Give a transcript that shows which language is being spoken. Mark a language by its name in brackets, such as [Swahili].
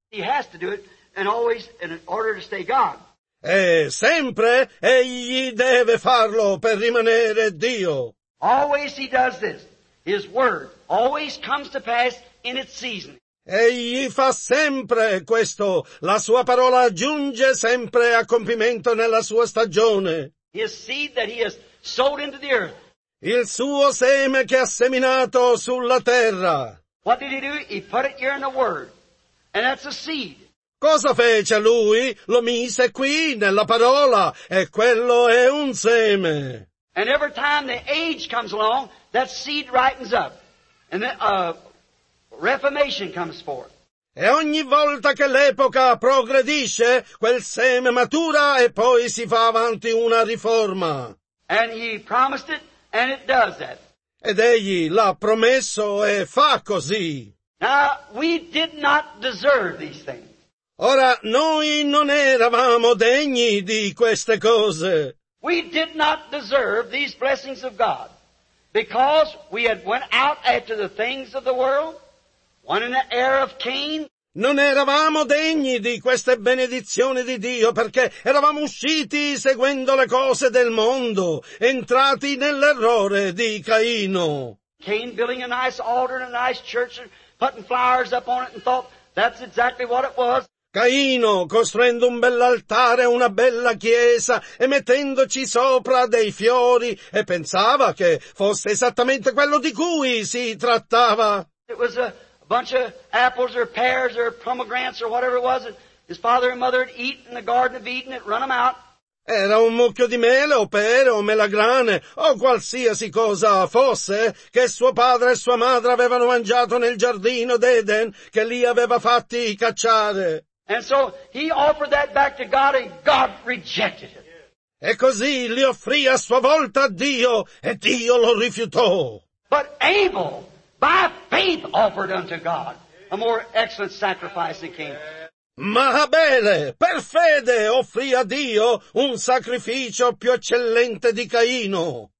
[English] He has to do it and always in order to stay God. [Italian] E sempre Egli deve farlo per rimanere Dio. [English] Always He does this. His word always comes to pass in its season. [Italian] Egli fa sempre questo. La sua parola giunge sempre a compimento nella sua stagione. [English] His seed that He has sowed into the earth. [Italian] Il suo seme che ha seminato sulla terra. [English] What did He do? He put it here in the word. And that's a seed. [Italian] Cosa fece lui? Lo mise qui, nella parola, e quello è un seme. [English] And every time the age comes along, that seed ripens up, and the reformation comes forth. [Italian] E ogni volta che l'epoca progredisce, quel seme matura e poi si fa avanti una riforma. [English] And He promised it, and it does that. [Italian] Ed Egli l'ha promesso e fa così. [English] Now, we did not deserve these things. [Italian] Ora, noi non eravamo degni di queste cose. [English] We did not deserve these blessings of God because we had went out after the things of the world, one in the heir of Cain. [Italian] Non eravamo degni di queste benedizioni di Dio perché eravamo usciti seguendo le cose del mondo, entrati nell'errore di Caino. [English] Cain building a nice altar and a nice church and putting flowers up on it and thought that's exactly what it was. [Italian] Caino, costruendo un bell'altare, una bella chiesa, e mettendoci sopra dei fiori, e pensava che fosse esattamente quello di cui si trattava. [English] It was a bunch of apples or pears or pomegranates or whatever it was that his father and mother had eaten in the Garden of Eden and run them out. [Italian] Era un mucchio di mele o pere o melagrane o qualsiasi cosa fosse che suo padre e sua madre avevano mangiato nel giardino d'Eden che li aveva fatti cacciare. [English] And so he offered that back to God and God rejected it. [Italian] E così li offrì a sua volta a Dio e Dio lo rifiutò. [English] But Abel, by faith, offered unto God a more excellent sacrifice than Cain. [Italian] Ma Abele, per fede, offrì a Dio un sacrificio più eccellente di Caino.